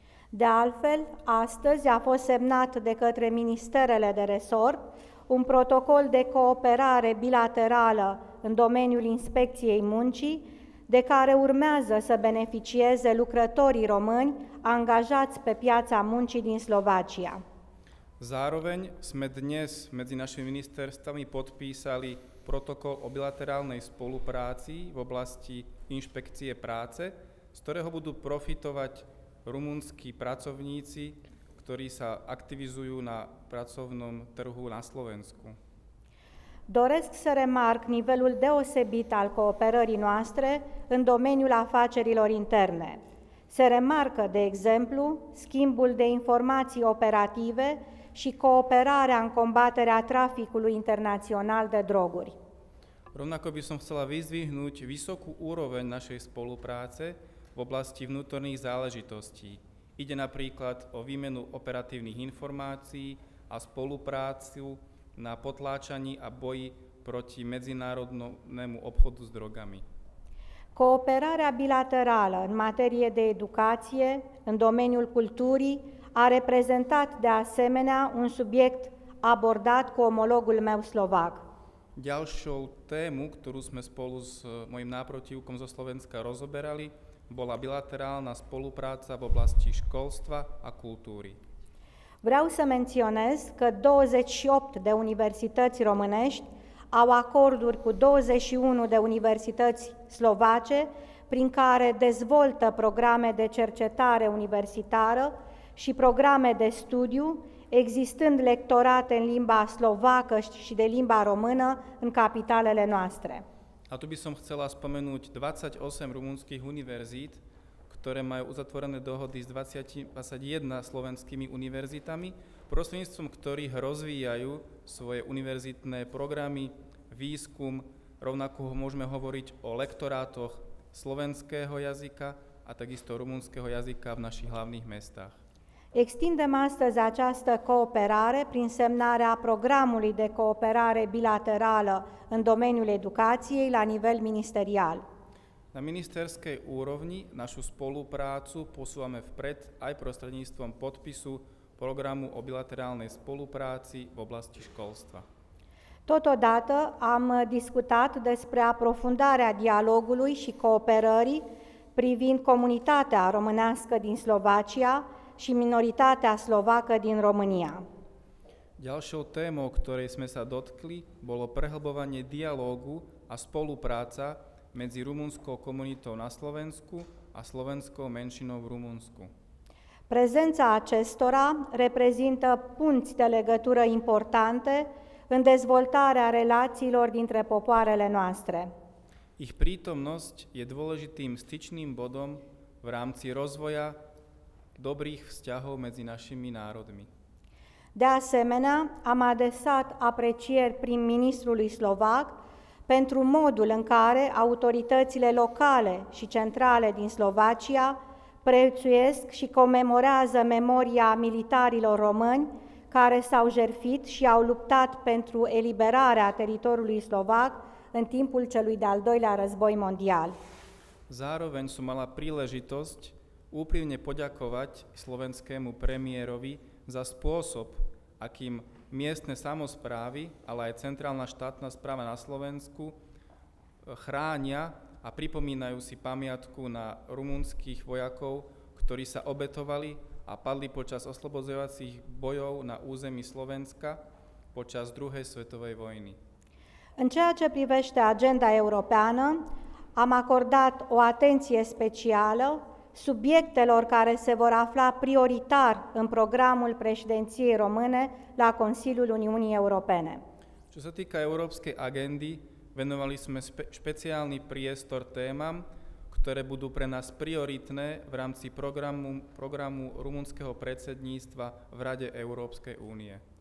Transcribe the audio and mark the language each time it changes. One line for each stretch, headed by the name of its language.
Romanian: De altfel, astăzi a fost semnat de către ministerele de resort un protocol de cooperare bilaterală în domeniul inspecției muncii, de care urmează să beneficieze lucrătorii români angajați pe piața muncii din Slovacia.
Slovak: Zároveň sme dnes medzi našimi ministerstvami podpísali protokol o bilaterálnej spolupráci v oblasti inšpekcie práce, z ktorého budú profitovať rumunskí pracovníci, ktorí sa aktivizujú na pracovnom trhu na Slovensku.
Romanian: Doresc să remarc nivelul deosebit al cooperării noastre în domeniul afacerilor interne. Se remarcă, de exemplu, schimbul de informații operative și cooperarea în combaterea traficului internațional de droguri.
Slovak: Rovnako by som chcela vyzdvihnúť vysokú úroveň našej spolupráce v oblasti vnútorných záležitostí. Ide napríklad o výmenu operatívnych informácií a spoluprácu na potláčaní a boji proti medzinárodnému obchodu s drogami.
Romanian: Cooperarea bilaterală în materie de educație, în domeniul culturii, a reprezentat de asemenea un subiect abordat cu omologul meu slovac.
Slovak: Ďalšou tému, ktorú sme spolu s mojim náprotivkom zo Slovenska rozoberali, bola bilaterálna spolupráca v oblasti školstva a kultúry.
Romanian: Vreau să menționez că 28 de universități românești au acorduri cu 21 de universități slovace, prin care dezvoltă programe de cercetare universitară și programe de studiu, existând lectorate în limba slovacă și de limba română în capitalele noastre.
Slovak: A tu by som chcela spomenúť 28 rumunských univerzít, ktoré majú uzatvorené dohody s 21 slovenskými univerzitami, prostredníctvom ktorých rozvíjajú svoje univerzitné programy, výskum, rovnako môžeme hovoriť o lektorátoch slovenského jazyka a takisto rumunského jazyka v našich hlavných mestách.
Romanian: Extindem astăzi această cooperare prin semnarea programului de cooperare bilaterală în domeniul educației la nivel ministerial.
Slovak: Na ministerskej úrovni našu spoluprácu posúvame vpred aj prostredníctvom podpisu programu o bilaterálnej spolupráci v oblasti školstva.
Romanian: Totodată am discutat despre aprofundarea dialogului și cooperării privind comunitatea românească din Slovacia și minoritatea slovacă din România.
Slovak: Ďalšou témou, ktorej sme sa dotkli, bolo prehlbovanie dialógu a spolupráca medzi rumunskou komunitou na Slovensku a slovenskou menšinou v Rumunsku.
Romanian: Prezența acestora reprezintă punți de legătură importante în dezvoltarea relațiilor dintre popoarele noastre.
Slovak: Ich prítomnosť je dôležitým styčným bodom v rámci rozvoja dobrých vzťahov medzi našimi národmi.
Romanian: De asemenea, am adesat aprecieri prim-ministrului slovac pentru modul în care autoritățile locale și centrale din Slovacia prețuiesc și comemorează memoria militarilor români care s-au jertfit și au luptat pentru eliberarea teritoriului slovac în timpul celui de-al doilea război mondial.
Slovak: Zároveň som mala príležitosť úprimne poďakovať slovenskému premiérovi za spôsob, akým miestne samosprávy, ale aj centrálna štátna správa na Slovensku chránia a pripomínajú si pamiatku na rumunských vojakov, ktorí sa obetovali a padli počas oslobodzovacích bojov na území Slovenska počas druhej svetovej vojny.
Romanian: În ceea ce privește agenda europeană, am acordat o atenție specială subiectelor care se vor afla prioritar în programul președinției române la Consiliul Uniunii Europene.
Slovak: Čo sa týka európskej agendy, venovali sme špeciálny priestor témam, ktoré budú pre nás prioritné v rámci programu rumunského predsedníctva v Rade Európskej únie.